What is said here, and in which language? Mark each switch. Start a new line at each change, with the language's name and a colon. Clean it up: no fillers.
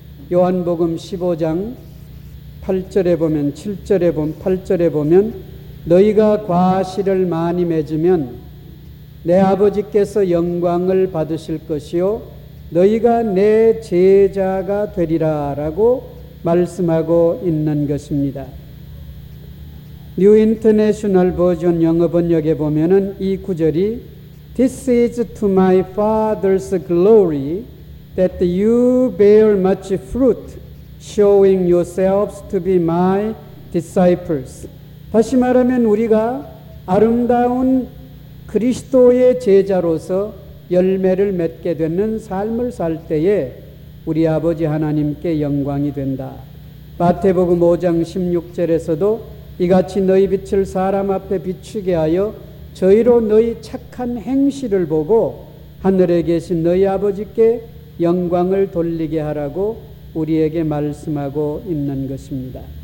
Korean: 요한복음 15장 8절에 보면 8절에 보면 너희가 과실을 많이 맺으면 내 아버지께서 영광을 받으실 것이요 너희가 내 제자가 되리라 라고 말씀하고 있는 것입니다. 뉴 인터내셔널 버전 영어 번역에 보면은 이 구절이
English: This is to my Father's glory that you bear much fruit, showing yourselves to be my disciples.
Korean: 다시 말하면 우리가 아름다운 그리스도의 제자로서 열매를 맺게 되는 삶을 살 때에 우리 아버지 하나님께 영광이 된다. 마태복음 5장 16절에서도 이같이 너희 빛을 사람 앞에 비추게 하여 저희로 너희 착한 행실을 보고 하늘에 계신 너희 아버지께 영광을 돌리게 하라고 우리에게 말씀하고 있는 것입니다.